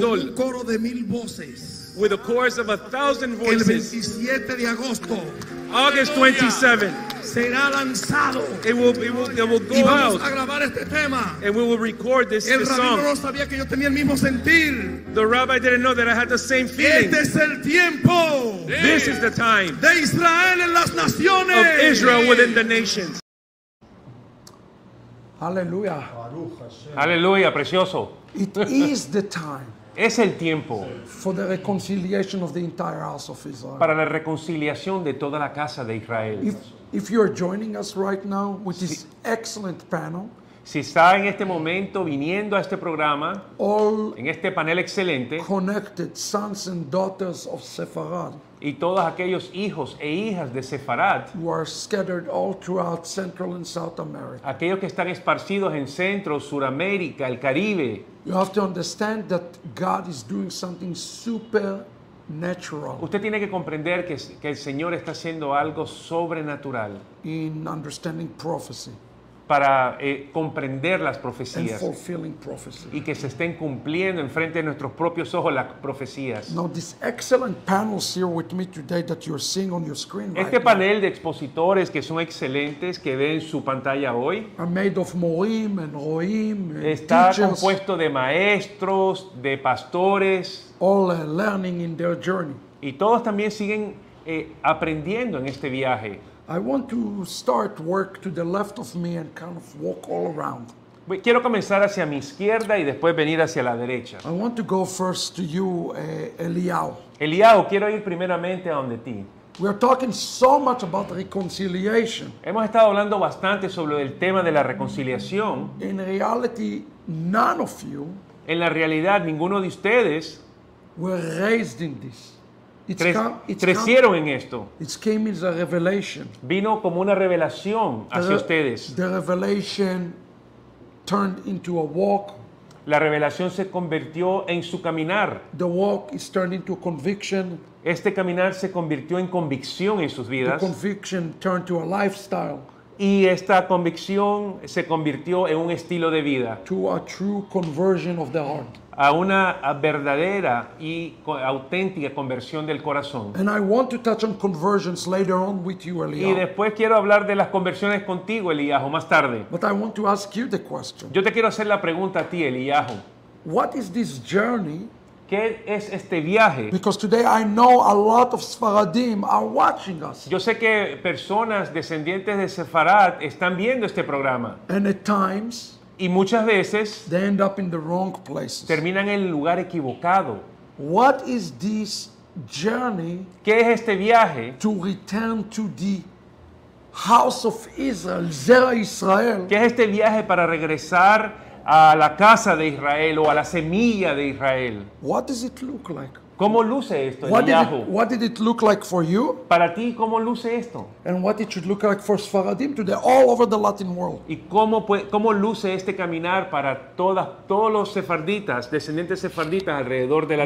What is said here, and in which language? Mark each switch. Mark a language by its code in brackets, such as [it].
[es] Con un coro de mil voces. [en] With a chorus of 1,000 voices. [es] El 27 de agosto, [en] August 27th. [es] Será lanzado. [en] It will go out. [es] A grabar este tema. [en] And we will record this [es] el [en] song. [es] No sabía que yo tenía el mismo sentir. [en] The rabbi didn't know that I had the same feeling. [es] Este es el tiempo. [en] Sí. This is the time. [es] De Israel en las naciones. [en] Of Israel within the nations. Hallelujah. [es] Hallelujah, precioso. [en] It is the time. [es] Es el tiempo [en] for the reconciliation of the entire house of Israel. [es] Para la reconciliación de toda la casa de Israel. [en] If you are joining us right now with this excellent panel, [es] si está en este momento viniendo a este programa, en este panel excelente, [en] connected sons and daughters of Sepharad, [es] y todos aquellos hijos e hijas de Sepharad, [en] who are scattered all throughout Central and South America, [es] aquellos que están esparcidos en Centro, Suramérica, el Caribe, [en] you have to understand that God is doing something supernatural. [es] Usted tiene que comprender que el Señor está haciendo algo sobrenatural. [en] In understanding prophecy. [es] Para comprender las profecías. [en] And fulfilling prophecy. [es] Y que se estén cumpliendo en frente de nuestros propios ojos las profecías. [en] Now this excellent panel here with me today that you're seeing on your screen. [es] Este [en] right [es] panel [en] now, [es] de expositores que son excelentes que ven su pantalla hoy. [en] Are made of Moim and Roim and [es] está [en] teachers, [es] compuesto de maestros, de pastores. [en] All learning in their journey. [es] Y todos también siguen aprendiendo en este viaje. [en] I want to start work to the left of me and kind of walk all around. [es] Quiero comenzar hacia mi izquierda y después venir hacia la derecha. [en] I want to go first to you, Eliyahu. [es] Eliyahu, quiero ir primeramente a donde ti. [en] We are talking so much about reconciliation. [es] Hemos estado hablando bastante sobre el tema de la reconciliación. [en] In reality, none of you. [es] En la realidad, ninguno de ustedes. [en] Were raised in this. [es] Crecieron en esto. [en] It came as a revelation. [es] Vino como una revelación hacia ustedes. [en] The revelation turned into a walk. [es] La revelación se convirtió en su caminar. [en] The walk is turned into a conviction. [es] Este caminar se convirtió en convicción en sus vidas. [en] The conviction turned to a lifestyle. [es] Y esta convicción se convirtió en un estilo de vida. [en] To a true conversion of the heart. [es] a una verdadera y auténtica conversión del corazón. [en] And I want to touch on conversions later on with you, Eliyahu. [es] Y después quiero hablar de las conversiones contigo, Eliyahu, más tarde. [en] But I want to ask you the question. [es] Yo te quiero hacer la pregunta a ti, Eliyahu. [en] What is this journey? [es] ¿Qué es este viaje? [en] Because today I know a lot of Sfaradim are watching us. [es] Yo sé que personas descendientes de Sefarad están viendo este programa. [en] And at times, [es] y muchas veces, [en] they end up in the wrong places. [es] Terminan en el lugar equivocado. [en] What is this journey? [es] ¿Qué es este viaje? [en] To return to the house of Israel, Zera Israel. [es] ¿Qué es este viaje para regresar a la casa de Israel o a la semilla de Israel? [en] What does it look like? [es] ¿Cómo luce esto, Eliyahu? [en] What did it look like for you? [es] ¿Para ti cómo luce esto? [en] And what it should look like for Sfaradim today, all over the Latin world. [es] ¿Y cómo luce este caminar para todos los sefarditas, descendientes sefarditas alrededor de la